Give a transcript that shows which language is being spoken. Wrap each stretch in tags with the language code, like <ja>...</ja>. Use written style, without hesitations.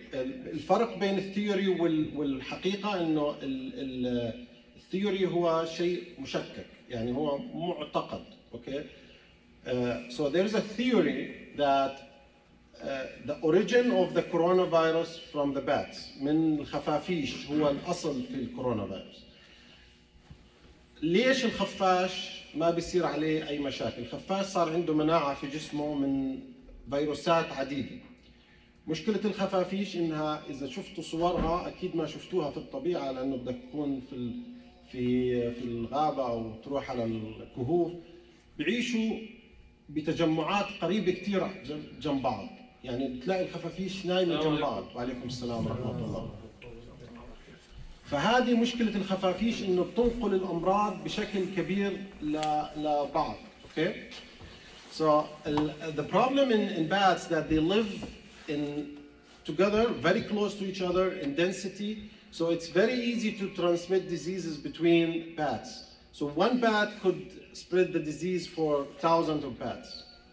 <ar>الفرق بين الثيوري والحقيقة إنه الثيوري هو شيء مشكك، يعني هو معتقد. Okay.</ar> <en>So there is a theory that the origin of the coronavirus from the bats,</en> <ar>من الخفافيش هو الأصل في الكورونافيروس. ليش الخفاش ما بيصير عليه أي مشاكل؟ الخفاش صار عنده مناعة في جسمه من فيروسات عديدة. مشكلة الخفافيش إنها إذا شفتوا صورها أكيد ما شفتوها في الطبيعة، لأنه بدك تكون في الغابة أو تروح على الكهوف، بيعيشوا بتجمعات قريبة كتير جنب بعض، يعني بتلاقي الخفافيش نايمة جنب بعض. وعليكم السلام ورحمة الله. فهذه مشكلة الخفافيش إنه بتنقل الأمراض بشكل كبير لبعض. Okay.</ar> <en>So the problem in bats that they live in together, very close to each other in density, so it's very easy to transmit diseases between bats. So one bat could spread the disease for thousands of bats.</en>